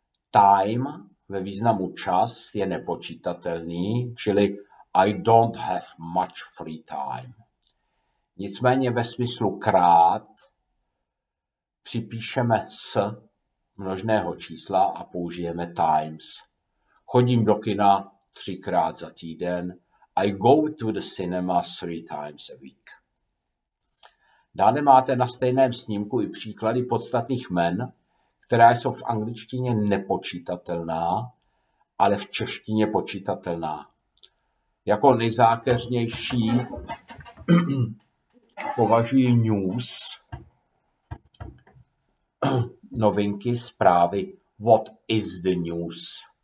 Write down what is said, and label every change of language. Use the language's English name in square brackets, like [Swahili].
[Czech] Time ve významu čas je nepočítatelný, čili [English] I don't have much free time. [Czech] Nicméně ve smyslu krát připíšeme s množného čísla a použijeme times. Chodím do kina 3x za týden. [English] I go to the cinema 3x a week. [Czech] Dále máte na stejném snímku i příklady podstatných jmen, která jsou v angličtině nepočítatelná, ale v češtině počítatelná. Jako nejzákeřnější považuji news, novinky, zprávy. [English] What is the news?